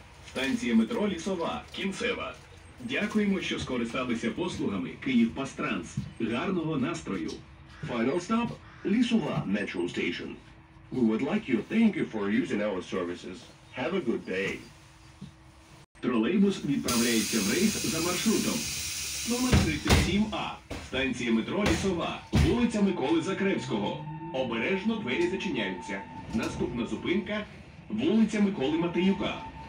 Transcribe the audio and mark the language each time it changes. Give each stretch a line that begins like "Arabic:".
Ukrainian: Станція метро Лісова, Кінцева. Дякуємо, що скористалися послугами Київпастранс. Гарного настрою.
English: Final stop Лісова Metro Station. We would like you to thank you for using our services. Have a good day.
Ukrainian: Тролейбус відправляється в рейс за маршрутом. Номер 37А. Станція метро Лісова, вулиця Миколи Закревського. Обережно, двері зачиняються. Наступна зупинка вулиця Миколи Матеюка.